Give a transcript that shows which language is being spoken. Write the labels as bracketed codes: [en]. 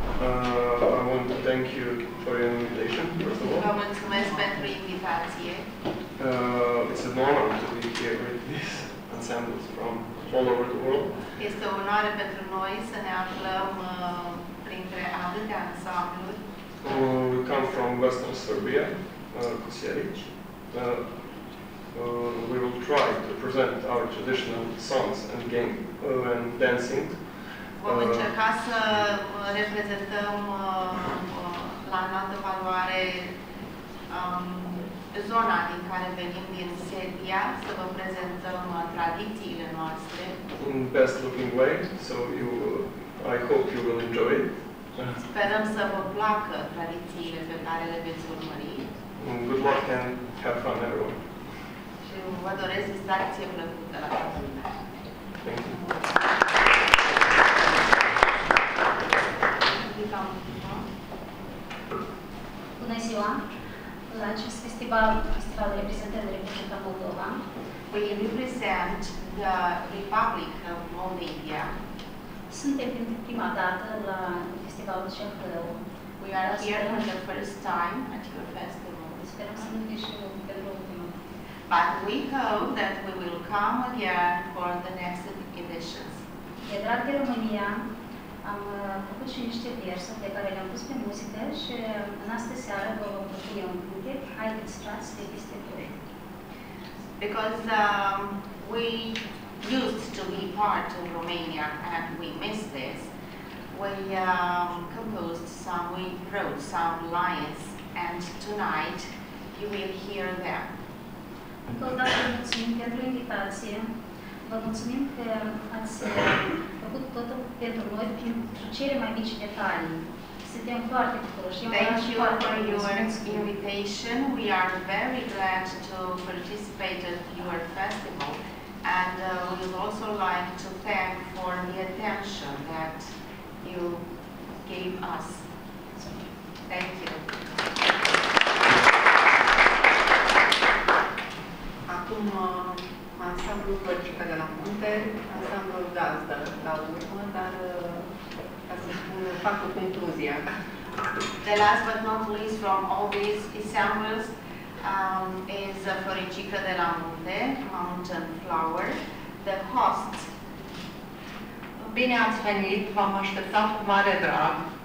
[en] I want to thank you for your invitation, first of all. [ro] Vă mulțumesc pentru invitație. [en] It's an honor to be here with these ensembles from all over the world. [ro] Este o onoare pentru noi să ne aflăm printre atâtea ansambluri. [en] We come from Western Serbia, Kosjerić. We will try to present our traditional songs and game and dancing. [ro] Vom încerca să reprezentăm la înaltă valoare zona din care venim, din Serbia, să vă prezentăm tradițiile noastre. [en] In best looking way, so you, I hope you will enjoy it. [ro] Sperăm să vă placă tradițiile pe care le veți urmări. [en] Good luck and have fun, everyone. [ro] Și vă doresc distracție plăcută la toată lumea. [en] Thank you. [ro] Bună ziua! La acest festival, festivalul reprezentării Republica Moldova. [en] We represent the Republic of Moldova. [ro] Suntem pentru prima dată la festivalul Ceahlăul. [en] We are here for the first time at your festival. [ro] Sperăm să nu fie și pentru ultima. [en] But we hope that we will come again for the next editions. [ro] E drag de România. Am făcut și niște versuri pe care le-am pus pe muzică și în astă seară vă vom propune un cântec, Haideți Frați, de este tot. [en] Because we used to be part of Romania and we missed this, we composed some, we wrote some lines and tonight you will hear them. [ro] Încă o dată mulțumim pentru invitație. Vă mulțumim că ați făcut totul pentru noi, pentru cele mai mici detalii. Suntem foarte bucuroși. [en] Thank you for your invitation. We are very glad to participate at your festival. And we would also like to thank for the attention that you gave us. Thank you. [ro] Acum, ansamblul Părcică de la Munte, ansamblul gazdă la urmă, dar, ca să spun, fac o concluzie. [en] The last but not least from all these ensembles is Părcică de la Munte, Mountain Flower, the host. [ro] Bine ați venit, v-am așteptat cu mare drag.